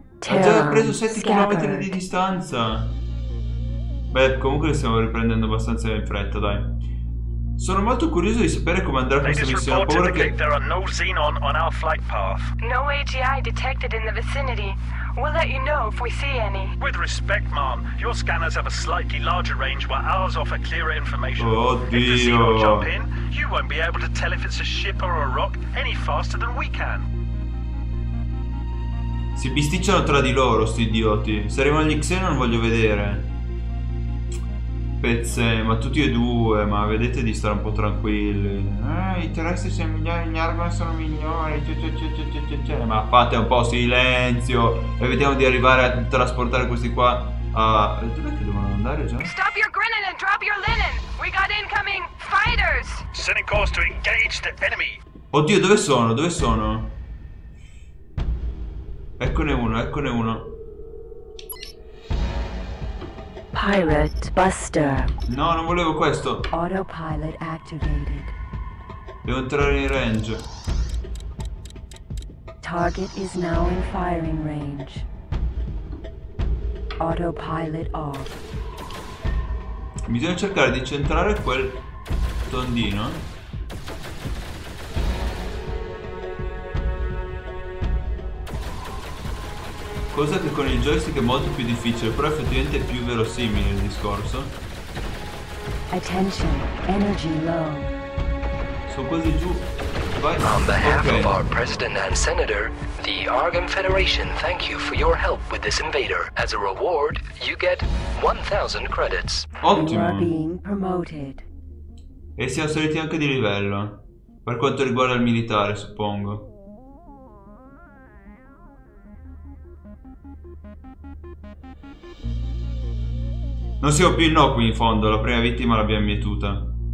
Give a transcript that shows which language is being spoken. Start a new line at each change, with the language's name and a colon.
Italian: Ha già preso 7 km di distanza. Beh, comunque stiamo riprendendo abbastanza in fretta, dai. Sono molto curioso di sapere come andrà questa missione. Paura che
English: there are no xenon on our flight path. No AGI detected in the vicinity. We'll let you know if we see any. With respect, ma'am, your scanners have a slightly larger range while ours offer clearer information.
Italian: Oddio.
English: If the xenon jump in, you won't be able to tell if it's a ship or a rock any faster than we can.
Italian: Si bisticciano tra di loro, sti idioti. Se arrivano gli xenon, voglio vedere. Pezze, ma tutti e due, ma vedete di stare un po' tranquilli. I terrestri sono migliori, gli Argon sono migliori. Ma fate un po' silenzio e vediamo di arrivare a trasportare questi qua a... Dov'è che devono andare già?
English: Stop your grinning and drop your linen! We got incoming fighters! Sending calls to engage the enemy!
Italian: Oddio, dove sono? Dove sono? Eccone uno, eccone uno.
English: Pirate Buster.
Italian: No, non volevo questo.
English: Autopilot activated.
Italian: Devo entrare in range.
English: Target is now in firing range. Autopilot off.
Italian: Bisogna cercare di centrare quel tondino. Cosa che con il joystick è molto più difficile, però effettivamente è più verosimile il discorso.
English: Attention, energy low.
Italian: Sono quasi giù. Vai.
English: On behalf of our president and senator, the Argon Federation thank you for your help with this invader. As a reward, you get 1000 credits.
Italian: Ottimo.
English: You are being promoted.
Italian: E siamo saliti anche di livello. Per quanto riguarda il militare, suppongo. Non siamo più innocui in fondo, la prima vittima l'abbiamo mietuta.